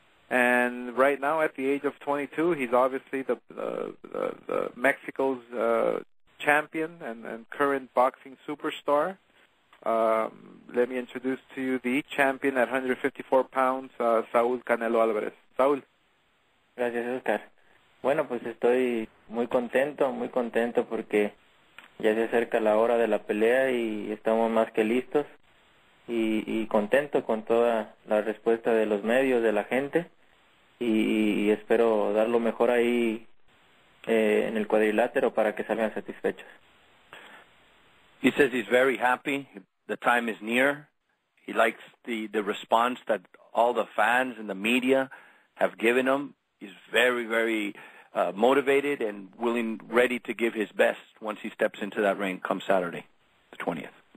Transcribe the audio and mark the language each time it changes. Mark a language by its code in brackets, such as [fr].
[en] And right now, at the age of 22, he's obviously the Mexico's champion and current boxing superstar. Let me introduce to you the champion at 154 pounds, Saul Canelo Alvarez. Saul. [es] Gracias, Oscar. Bueno, pues estoy muy contento porque ya se acerca la hora de la pelea y estamos más que listos. Y contento con toda la respuesta de los medios, de la gente, y espero dar lo mejor ahí en el cuadrilátero para que salgan satisfechos. [en] He says he's very happy. The time is near. He likes the response that all the fans and the media have given him. He's very, very motivated and willing, ready to give his best once he steps into that ring come Saturday, the 20th.